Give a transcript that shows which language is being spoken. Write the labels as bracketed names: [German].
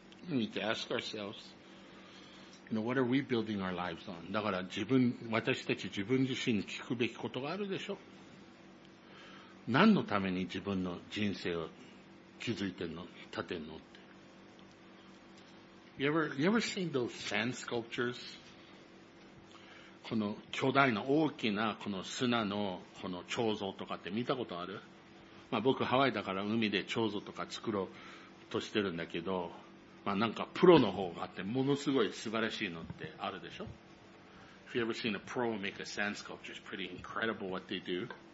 [English] We need to ask ourselves, you know, what are we building our lives on? [Japanese] だから自分、私たち自分自身に聞くべきことがあるでしょ。何のために自分の人生を築いてんの、立てんのって。 [English] You ever seen those sand sculptures? [Japanese] この巨大な大きなこの砂のこの彫像とかって見たことある？まあ僕ハワイだから海で彫像とか作ろうとしてるんだけど、まあなんかプロの方があってものすごい素晴らしいのってあるでしょ？ [English] If you ever seen a pro make a sand sculpture, it's pretty incredible what they do.